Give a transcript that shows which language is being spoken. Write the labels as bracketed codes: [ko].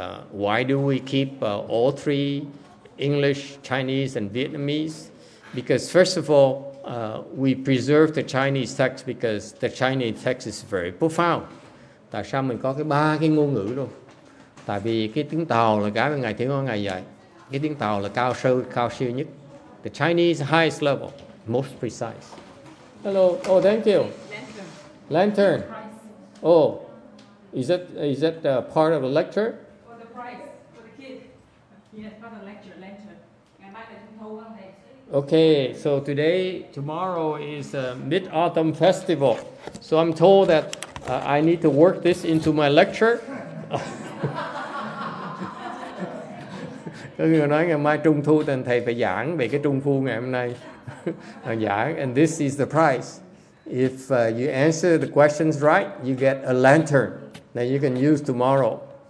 [en] Why do we keep all three, English, Chinese, and Vietnamese? Because first of all, we preserve the Chinese text because the Chinese text is very profound. [vi] Tại sao mình có cái ba cái ngôn ngữ luôn? Tại vì cái tiếng Tàu là cái mà Ngài Thiện Hoàng Ngài dạy. Cái tiếng Tàu là cao siêu nhất. [en] The Chinese highest level, most precise. Hello, oh, thank you. Lantern. Oh, is that part of a lecture? For the price, for the kid. Yes, for the lecture, lantern. I might let you know one day. Okay, so today, tomorrow is Mid-Autumn Festival. So I'm told that I need to work this into my lecture. [vi] Có người nói ngày mai Trung Thu thì thầy phải giảng về cái Trung Thu ngày hôm nay. Giảng. [en] And this is the price. If you answer the questions right, you get a lantern that you can use tomorrow.